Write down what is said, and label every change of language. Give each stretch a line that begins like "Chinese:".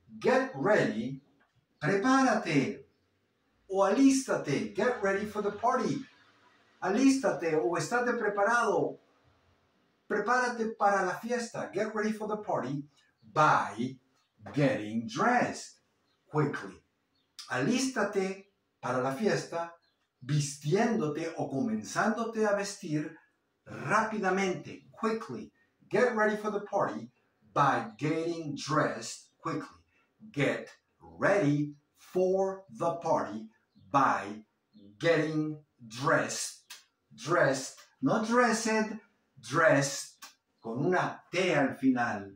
English: Get ready.
Spanish: Prepárate. O alístate.
English: Get ready for the party.
Spanish: Alístate o estate preparado. Prepárate para la fiesta.
English: Get ready for the party by getting dressed quickly.
Spanish: Alístate para la fiesta vistiéndote o comenzándote a vestir rápidamente.
English: Quickly. Get ready for the party by getting dressed quickly. Get ready for the party by getting dressed.
Spanish: Dressed, no dressed, dressed, con una T al final.